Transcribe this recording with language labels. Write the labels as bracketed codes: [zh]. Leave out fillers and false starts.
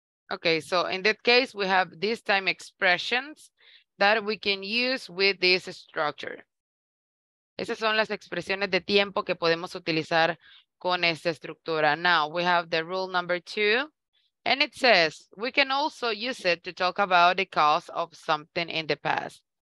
[en] Okay, so in that case, we have this time expressions that we can use with this structure. [es] Esas son las expresiones de tiempo que podemos utilizar con esta estructura. [en] Now, we have the rule number two, and it says, we can also use it to talk about the cause of something in the past.